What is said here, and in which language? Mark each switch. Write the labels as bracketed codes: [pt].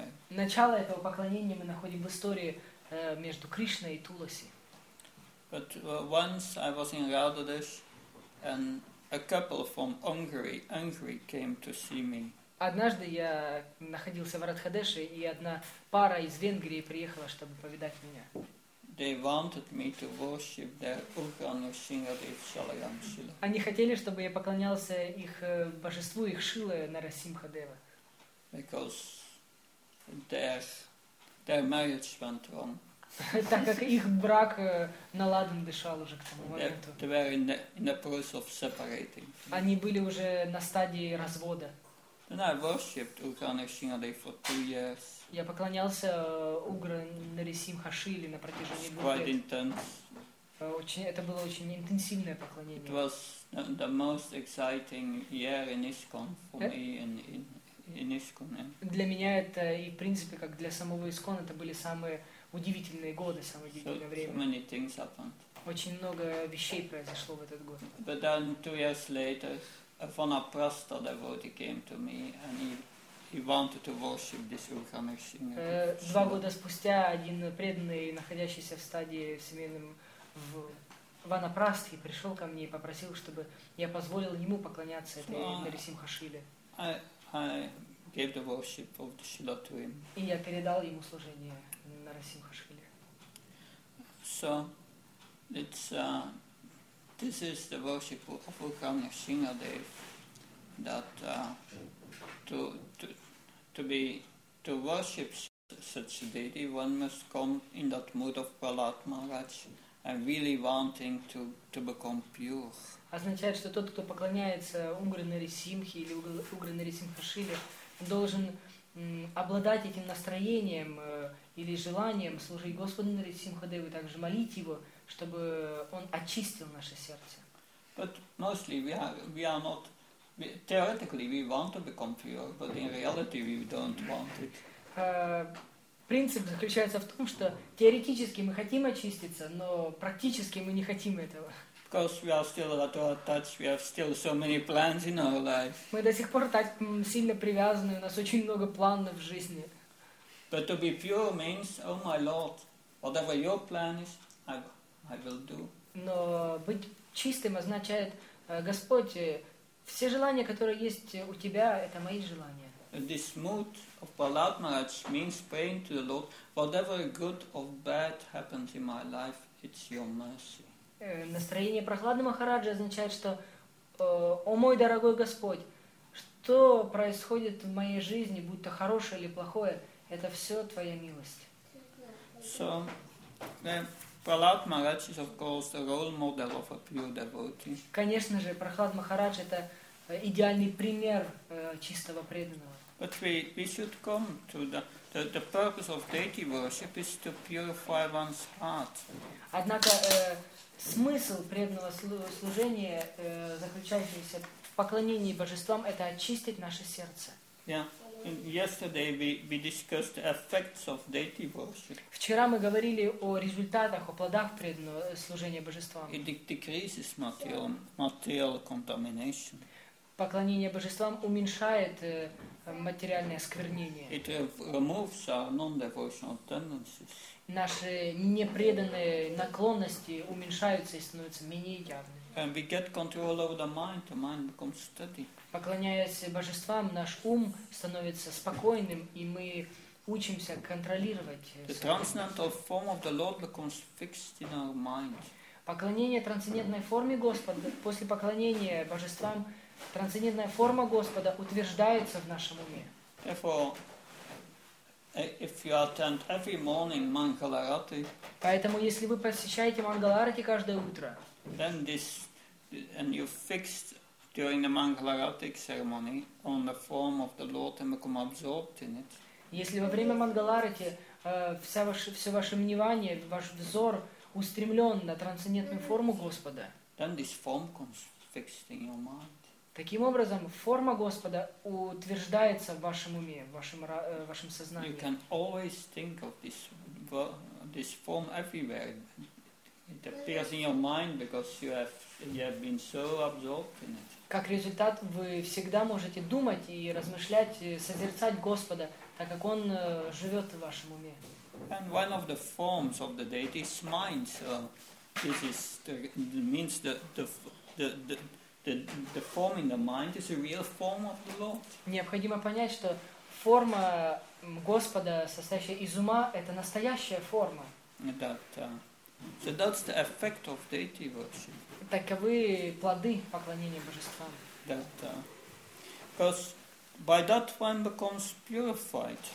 [ru] Начало этого поклонения мы находим в истории между Кришной и Туласи. [en] But once I was in Radhadesh and a couple from Hungary came to see me. [ru] Однажды я находился в Радхадеше, и одна пара из Венгрии приехала, чтобы повидать меня. [en] They wanted me to worship their Ugra Nrsimhadev Shalagram Shila. [ru] Они хотели, чтобы я поклонялся их божеству, их Шиле Нарисимхадева. [en] Because their marriage went wrong. [ru] Так как их брак наладан дышал уже к тому моменту. [en] They were in the process of separating. [ru] Они были уже на стадии развода. [en] Then I worshipped Ugra Nrsimhadev for 2 years. [ru] Я поклонялся Ugra Nrsimhashvili на протяжении двух лет. [en] Quite intense. [ru] Очень, это было очень интенсивное поклонение. [en] It was the most exciting year in ISKCON for me in ISKCON. [ru] Для меня это и в принципе как для самого ИСКОН это были самые удивительные годы, самое удивительное время. [en] So many things happened. [ru] Очень много вещей произошло в этот год. [en] But then 2 years later, a Vanaprastha devotee came to me and he wanted to worship this Urkhamishing. [ru] Два года спустя один преданный, находящийся в стадии семейным в Ванапрастхе, пришел ко мне и попросил, чтобы я позволил ему поклоняться этой Нарисимхашиле. [en] I gave the worship of the Shila to him. [ru] И я передал ему служение Нарисимхашиле. [en] So it's this is the worship of Urkhamishingadev that to worship such a deity, one must come in that mood of Prahlad Maharaj and really wanting to become pure. [ru] Означает, что тот, кто поклоняется Угре Нарисимхе или Угре Нарисимхашиле, должен обладать этим настроением или желанием служить Господу Нарисимхадеву, также молить его, чтобы он очистил наше сердце. [en] But mostly we are not. Theoretically, we want to become pure, but in reality, we don't want it. [ru] Принцип заключается в том, что теоретически мы хотим очиститься, но практически мы не хотим этого. [en] Because we are still at our touch, we have still so many plans in our life. [ru] Мы до сих пор так сильно привязаны, у нас очень много планов в жизни. [en] But to be pure means, oh my Lord, whatever your plan is, I will do. [ru] Но быть чистым означает, Господь, все желания, которые есть у тебя, это мои желания. [en] This mood of Prahlad Maharaj means praying to the Lord, whatever good or bad happens in my life, it's your mercy. [ru] Настроение Прохлады Махараджи означает, что о мой дорогой Господь, что происходит в моей жизни, будь то хорошее или плохое, это все твоя милость. [en] So, Prahlad Maharaj is of course the role model of a pure devotee. [ru] Конечно же, Прохлад Махарадж это идеальный пример чистого преданного. [en] But we should come to the purpose of deity worship is to purify one's heart. [ru] Однако смысл преданного служения, заключающийся в поклонении божествам, это очистить наше сердце. [en] Yeah. Yesterday we discussed effects of deity worship. [ru] Вчера мы говорили о результатах, о плодах преданного служения божествам. [en] It decreases material contamination. [ru] Поклонение божествам уменьшает материальное осквернение. [en] It removes our non-devotional tendencies. [ru] Наши непреданные наклонности уменьшаются и становятся менее явными. [en] And we get control over the mind becomes steady. [ru] Поклоняясь божествам, наш ум становится спокойным, и мы учимся контролировать. [en] The transcendental form of the Lord becomes fixed in our mind. [ru] Поклонение трансцендентной форме Господа, после поклонения божествам, трансцендентная форма Господа утверждается в нашем уме. [en] If you attend every morning Mangalarati, [ru] поэтому если вы посещаете Мангаларати каждое утро, [en] then this and you fixed during the Mangalarati ceremony on the form of the Lord and become absorbed in it. [ru] Если во время Мангаларати все ваше внимание, ваш взор устремлен на трансцендентную форму Господа, [en] then this form comes fixed in your mind. [ru] Таким образом, форма Господа утверждается в вашем уме, в вашем сознании. [en] You can always think of this form everywhere. It appears in your mind because you have been so absorbed in it. [ru] Как результат, вы всегда можете думать и размышлять, созерцать Господа, так как Он живет в вашем уме. [en] And one of the forms of the deity is mind. So this is means the form in the mind is a real form of the Lord. [ru] Необходимо понять, что форма Господа, состоящая из ума, это настоящая форма. [en] So that's the effect of deity worship. [ru] Таковы плоды поклонения божествам. [en] Because by that one becomes purified.